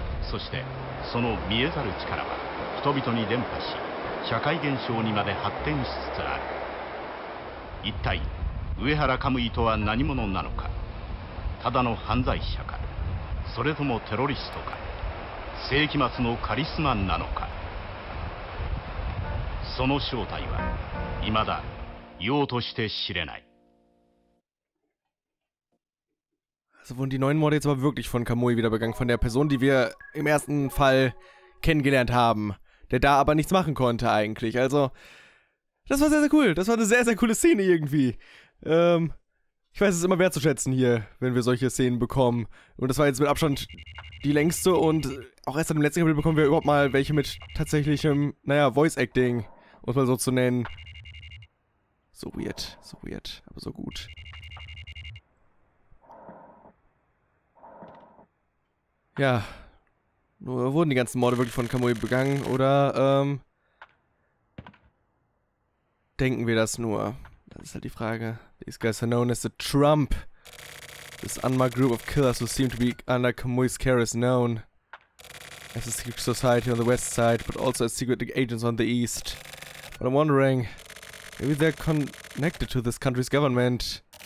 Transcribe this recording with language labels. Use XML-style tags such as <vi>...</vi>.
<ja>そして、その見えざる力は人々に伝播し、 社会現象にまで発展しつつある。一体上原カムイとは何者なのか。ただの犯罪者か。それともテロリストか。世紀末のカリスマンなのか。その正体は未だ用として知れない。So</ja> <de>wurden die neuen Morde jetzt aber wirklich von Kamui wieder begangen, von der Person, die wir im ersten Fall kennengelernt haben. Der da aber nichts machen konnte eigentlich, also, das war sehr, sehr cool, das war eine sehr, sehr coole Szene irgendwie. Ich weiß es immer wertzuschätzen hier, wenn wir solche Szenen bekommen. Und das war jetzt mit Abstand die längste und auch erst im letzten Kapitel bekommen wir überhaupt mal welche mit tatsächlichem, naja, Voice Acting, um es mal so zu nennen.</de> <en>So weird,</en> <de>aber so gut. Ja. Wurden die ganzen Morde wirklich von Kamui begangen, oder, denken wir das nur? Das ist halt die Frage.</de> <en>These guys are known as the Trump. This unmarked group of killers who seem to be under Kamui's care is known as a secret society on the west side, but also as secret agents on the east. But I'm wondering, maybe they're connected to this country's government.</en>